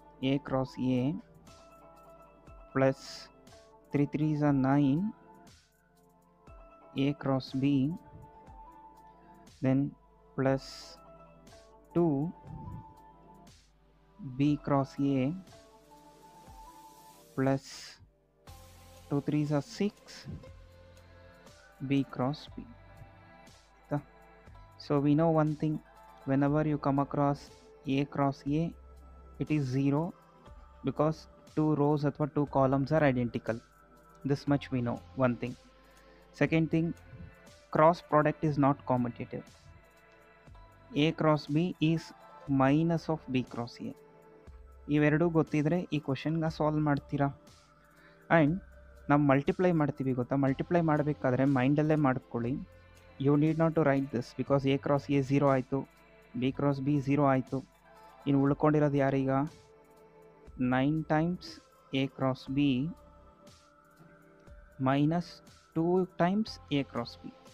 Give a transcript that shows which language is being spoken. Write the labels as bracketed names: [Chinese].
[English] A cross A plus 3 3s are 9 A cross B, then plus 2 B cross A plus 2 3s are 6 B cross B. So we know one thing, whenever you come across A cross A, it is 0 because two rows athwa two columns are identical. This much we know, one thing. Second thing, cross product is not commutative. A cross B is minus of B cross A. [Kannada] ಇವೆರಡೂ ಗೊತ್ತಿದ್ರೆ ಈ ಕ್ವೆಶನ್ಗೆ solve ಮಾಡ್ತೀರಾ. And ನಾವು multiply ಮಾಡ್ತೀವಿ ಗೊತ್ತಾ, multiply ಮಾಡಬೇಕಾದ್ರೆ ಮೈಂಡಲ್ಲೇ ಮಾಡ್ಕೊಳ್ಳಿ, [English] you need not to write this, [Kannada] because A cross A zero ಆಯಿತು, ಬಿ ಕ್ರಾಸ್ ಬಿ ಜೀರೋ ಆಯಿತು. ಇನ್ನು ಉಳ್ಕೊಂಡಿರೋದು ಯಾರೀಗ, [English] Nine times A cross B minus two times A cross B.